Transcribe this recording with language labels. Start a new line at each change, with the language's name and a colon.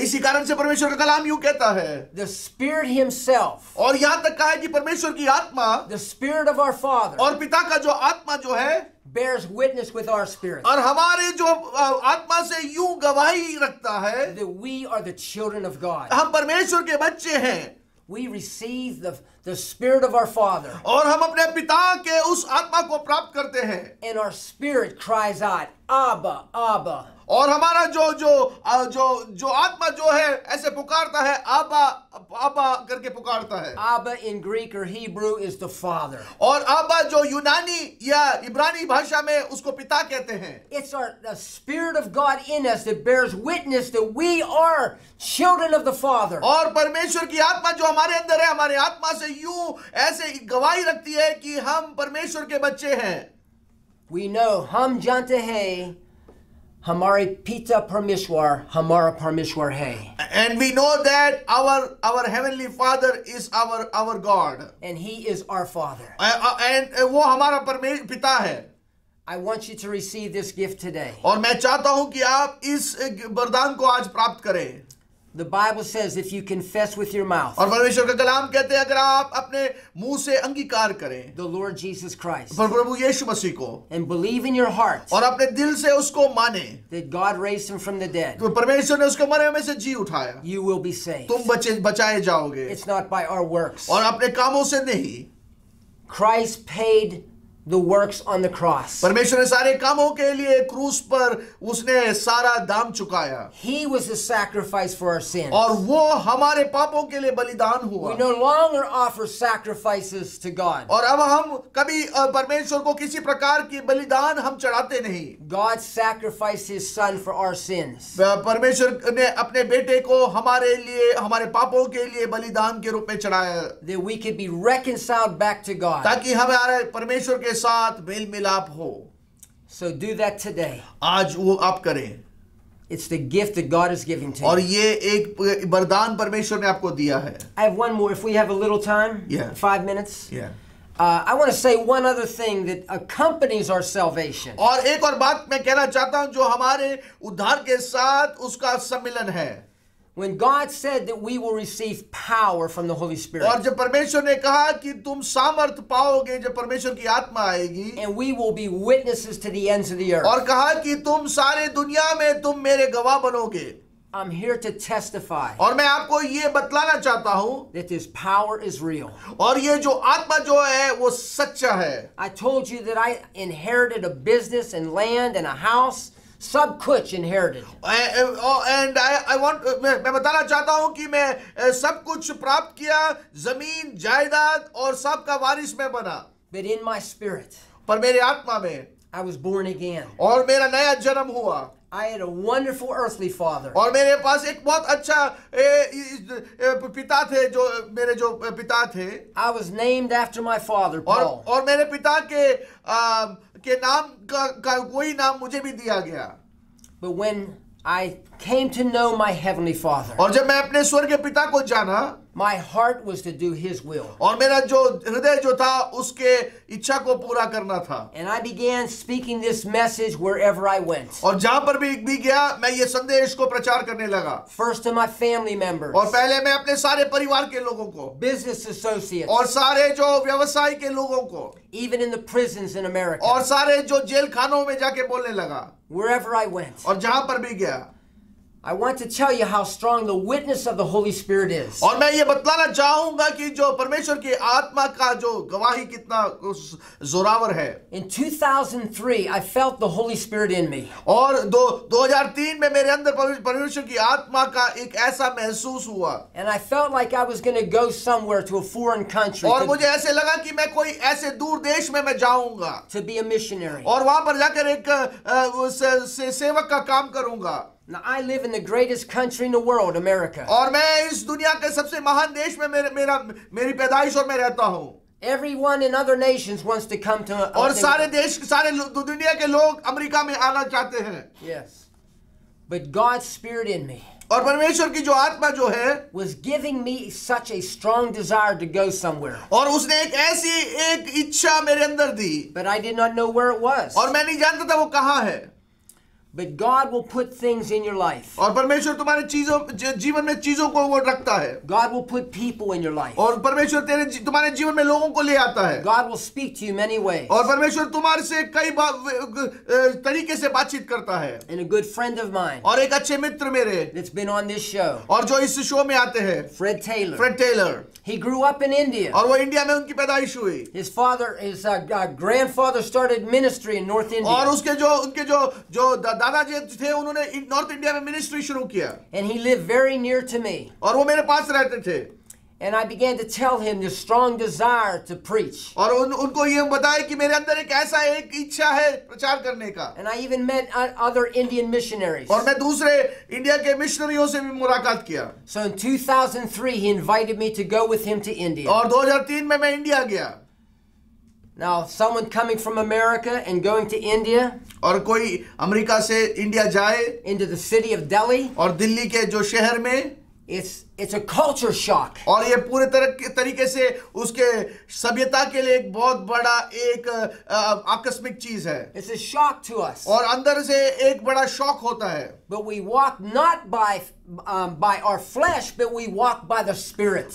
Hindi: इसी कारण से परमेश्वर का कलाम यूं कहता है.
English: The Spirit Himself.
Hindi: और यहाँ तक कहा है कि परमेश्वर की आत्मा.
English: The Spirit of our Father.
Hindi: और पिता का जो आत्मा जो है.
English: Bears witness with our spirit.
Hindi: और हमारे जो आत्मा से यूं गवाही रखता है.
English: That we are the children of God.
Hindi: हम परमेश्वर के बच्चे हैं.
English: We receive the spirit of our Father.
Hindi: और हम अपने पिता के उस आत्मा को प्राप्त करते हैं.
English: And our spirit cries out, Abba, Abba.
Hindi: और हमारा जो जो जो जो आत्मा जो है ऐसे पुकारता है आबा आबा करके पुकारता है.
English: Abba in Greek और Hebrew is the father.
Hindi: और आबा जो यूनानी या इब्रानी भाषा में उसको पिता कहते हैं.
English: It's the spirit of God in us that bears witness that we are children of the father.
Hindi: और परमेश्वर की आत्मा जो हमारे अंदर है हमारे आत्मा से यूं ऐसे गवाही रखती है कि हम परमेश्वर के बच्चे हैं.
English: we know
Hindi: हम जानते हैं हमारे पिता परमेश्वर हमारा परमेश्वर है.
English: And we know that our heavenly father is our God. And he is our father.
Hindi: And वो हमारा परमेश्वर पिता है.
English: I want you to receive this gift today.
Hindi: और मैं चाहता हूँ कि आप इस वरदान को आज प्राप्त करें.
English: The Bible says if you confess with your mouth.
Hindi: और परमेश्वर का कलाम कहते हैं अगर आप अपने मुंह से अंगीकार करें.
English: The Lord Jesus Christ.
Hindi: प्रभु यीशु मसीह को.
English: And believe in your heart.
Hindi: और अपने दिल से उसको माने.
English: That God raised him from the dead.
Hindi: तो परमेश्वर ने उसको मरे में से जी उठाया.
English: You will be saved.
Hindi: तुम बचाए जाओगे.
English: It's not by our works.
Hindi: और अपने कामों से नहीं.
English: Christ paid the works on the cross.
Hindi: परमेश्वर ने सारे कामों के लिए क्रूस पर उसने सारा दाम चुकाया.
English: He was the sacrifice for our sins.
Hindi: और वो हमारे पापों के लिए बलिदान हुआ.
English: We no longer offer sacrifices to God.
Hindi: और अब हम कभी परमेश्वर को किसी प्रकार की बलिदान हम चढ़ाते नहीं.
English: God sacrificed his son for our sins.
Hindi: परमेश्वर ने अपने बेटे को हमारे लिए हमारे पापों के लिए बलिदान के रूप में चढ़ाया.
English: That we could be reconciled back to God.
Hindi: ताकि हमारे परमेश्वर के साथ मेल मिलाप हो.
English: So do that today.
Hindi: आज वो आप करें.
English: It's the gift that God is giving to you.
Hindi: और ये एक वरदान परमेश्वर ने आपको दिया है.
English: I have one more. If we have a little time, yeah. 5 minutes. Yeah. I want to say one other thing that accompanies our salvation.
Hindi: और एक और बात मैं कहना चाहता हूँ जो हमारे उद्धार के साथ उसका सम्मिलन है.
English: When God said that we will receive power from the Holy Spirit.
Hindi: और जब परमेश्वर ने कहा कि तुम सामर्थ पाओगे जब परमेश्वर की आत्मा आएगी.
English: And we will be witnesses to the ends of the earth.
Hindi: और कहा कि तुम सारे दुनिया में तुम मेरे गवाह बनोगे.
English: I'm here to testify.
Hindi: और मैं आपको ये बतलाना चाहता हूँ.
English: That this power is real.
Hindi: और ये जो आत्मा जो है वो सच्चा है.
English: I told you that I inherited a business and land and a house.
Hindi: सब कुछ इनहेरिटेड
English: and I want
Hindi: मैं बताना चाहता हूं कि मैं सब कुछ प्राप्त किया जमीन जायदाद और सब का वारिस मैं बना
English: but in my spirit
Hindi: पर मेरे आत्मा में
English: I was born again
Hindi: और मेरा नया जन्म हुआ
English: I had a wonderful earthly father.
Hindi: और मेरे पास एक बहुत अच्छा पिता थे जो मेरे जो पिता थे.
English: I was named after my father, Paul.
Hindi: और मेरे पिता के के नाम का कोई नाम मुझे भी दिया गया.
English: But when I came to know my heavenly father.
Hindi: और जब मैं अपने स्वर्गीय पिता को जाना.
English: My heart was to do His will.
Hindi: और मेरा जो हृदय जो था उसके इच्छा को पूरा करना था.
English: And I began speaking this message wherever I went.
Hindi: और जहाँ पर भी गया मैं ये संदेश को प्रचार करने लगा.
English: First to my family members.
Hindi: और पहले मैं अपने सारे परिवार के लोगों को.
English: Business associates.
Hindi: और सारे जो व्यवसाय के लोगों को.
English: Even in the prisons in America.
Hindi: और सारे जो जेल खानों में जाके बोलने लगा.
English: Wherever I went.
Hindi: और जहाँ पर भी गया.
English: I want to tell you how strong the witness of the Holy Spirit is.
Hindi: और मैं ये बतलाना चाहूँगा कि जो परमेश्वर की आत्मा का जो गवाही कितना जोरावर है.
English: In 2003, I felt the Holy Spirit in me.
Hindi: और 2003 में मेरे अंदर परमेश्वर की आत्मा का एक ऐसा महसूस हुआ.
English: And I felt like I was going to go somewhere to a foreign country.
Hindi: और मुझे ऐसे लगा कि मैं कोई ऐसे दूर देश में मैं जाऊँगा.
English: To be a missionary.
Hindi: और वहाँ पर जाकर एक सेवक का काम करूँगा.
English: Now I live in the greatest country in the world, America.
Hindi: और मैं इस दुनिया के सबसे महान देश में मेरी पैदाइश और मैं रहता हूँ.
English: Everyone in other nations wants to come to.
Hindi: और सारे देश सारे दुनिया के लोग अमेरिका में आना चाहते हैं.
English: Yes, but God's spirit in me.
Hindi: और परमेश्वर की जो आत्मा जो है.
English: Was giving me such a strong desire to go somewhere.
Hindi: और उसने एक ऐसी एक इच्छा मेरे अंदर दी.
English: But I did not know where it was.
Hindi: और मैं नहीं जानता था वो कहाँ है.
English: But God will put things in your life.
Hindi: और परमेश्वर तुम्हारे चीजों जीवन में चीजों को वो रखता है.
English: God will put people in your life.
Hindi: और परमेश्वर तेरे तुम्हारे जीवन में लोगों को ले आता है.
English: God will speak to you many ways.
Hindi: और परमेश्वर तुम्हारे से कई तरीके से बातचीत करता है.
English: And a good friend of mine.
Hindi: और एक अच्छे मित्र मेरे.
English: That's been on this show.
Hindi: और जो इस शो में आते हैं.
English: Fred Taylor. Fred Taylor. He grew up in India.
Hindi: और वो इंडिया में उनकी पैदाइश हुई.
English: His father, his grandfather started ministry in North India.
Hindi: और उनके जो दादाजी थे उन्होंने नॉर्थ इंडिया में मिनिस्ट्री शुरू किया.
English: And he lived very near to me.
Hindi: और वो मेरे पास रहते थे.
English: And I began to tell him this strong desire to preach.
Hindi: और उनको ये बताया कि मेरे अंदर एक ऐसा एक इच्छा है प्रचार करने का.
English: And I even met other Indian missionaries.
Hindi: और मैं दूसरे इंडिया के मिशनरियों से भी मुलाकात किया.
English: So in 2003 he invited me to go with him to India.
Hindi: और 2003 में मैं इंडिया गया.
English: Now someone coming from America and going to India.
Hindi: और कोई अमेरिका से इंडिया जाए.
English: Into the city of Delhi.
Hindi: और दिल्ली के जो शहर में.
English: It's a culture shock.
Hindi: और ये पूरे तरीके से उसके सभ्यता के लिए एक बहुत बड़ा एक आकस्मिक चीज है.
English: It's a shock to us.
Hindi: और अंदर से एक बड़ा शॉक होता है.
English: But we walk not by our flesh, but we walk by the Spirit.